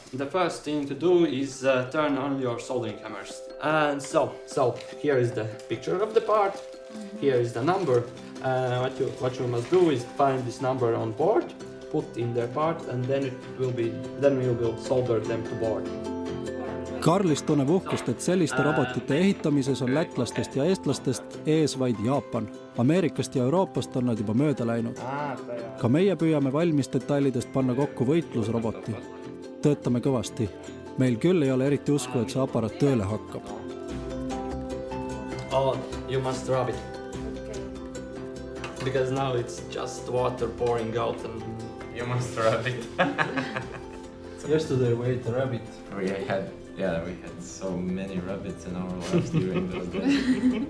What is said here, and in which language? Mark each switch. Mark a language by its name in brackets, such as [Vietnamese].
[English] The first thing to do is turn on your soldering hammers. And so here is the picture of the part. Mm-hmm. Here is the number. What you must do is find this number on board, put in their part, and then we will solder them to board. [Estonian] Karlis tunneb uhkust, et selliste robotite ehitamises on lätlastest ja eestlastest ees vaid Jaapan. Ameerikast ja Euroopast on nad juba mööda läinud. Ka meie püüame valmis detailidest panna kokku võitlusroboti. Töötame kõvasti. Meil küll ei ole eriti usku, et see aparaat tööle hakkab. [English] Oh, you must rub it. Because now it's just water pouring out and... You must rub it. Yesterday we ate a rabbit. We had so many rabbits in our lives during those days.